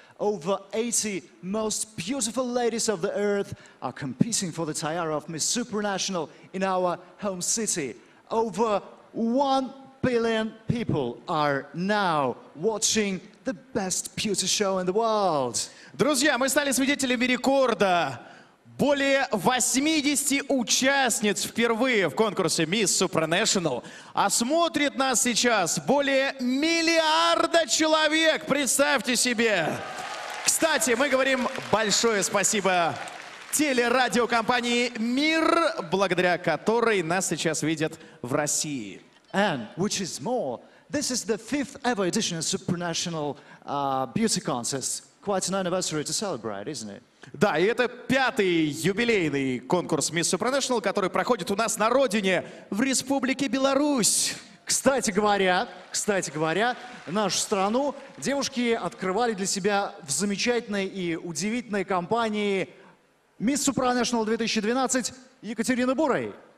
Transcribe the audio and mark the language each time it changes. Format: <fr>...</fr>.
<en>Over 80 most beautiful ladies of the earth are competing for the tiara of Miss Supranational in our home city. Over 1 billion people are now watching the best beauty show in the world.</en> <ru>Друзья, мы стали свидетелями рекорда. Более 80 участниц впервые в конкурсе Miss Supranational. А смотрит нас сейчас более миллиарда человек. Представьте себе. Кстати, мы говорим большое спасибо телерадиокомпании «Мир», благодаря которой нас сейчас видят в России.</ru> <en>And, which is more, this is the fifth ever edition of Supranational Beauty Contest. Quite an anniversary to celebrate, isn't it?</en> <ru>Да, и это пятый юбилейный конкурс Miss Supranational, который проходит у нас на родине, в Республике Беларусь. Кстати говоря, нашу страну девушки открывали для себя в замечательной и удивительной компании Miss Supranational 2012 Екатерина Бурой.</ru>